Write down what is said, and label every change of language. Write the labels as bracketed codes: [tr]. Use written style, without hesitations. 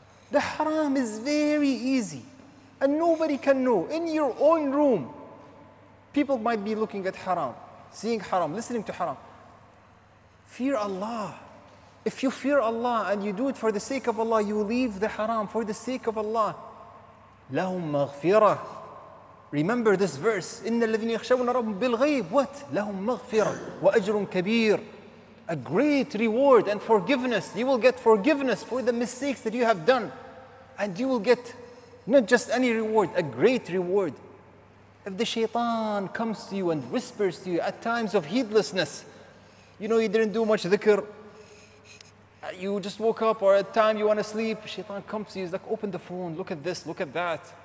[en] The haram is very easy and nobody can know. In your own room, people might be looking at haram, seeing haram, listening to haram. Fear Allah. If you fear Allah and you do it for the sake of Allah, you leave the haram for the sake of Allah. [ar] لَهُمْ مَغْفِرَةٌ. [en] Remember this verse, [ar] إِنَّ الَّذِينَ يَخْشَوْنَ رَبُّهُمْ بِالْغَيْبِ. What? لَهُمْ مَغْفِرَةٌ وَأَجْرٌ كَبِيرٌ. [en] A great reward and forgiveness. You will get forgiveness for the mistakes that you have done. And you will get not just any reward, a great reward. If the shaitan comes to you and whispers to you at times of heedlessness, you know, you didn't do much dhikr, you just woke up or at time you want to sleep, shaitan comes to you, he's like, open the phone, look at this, look at that.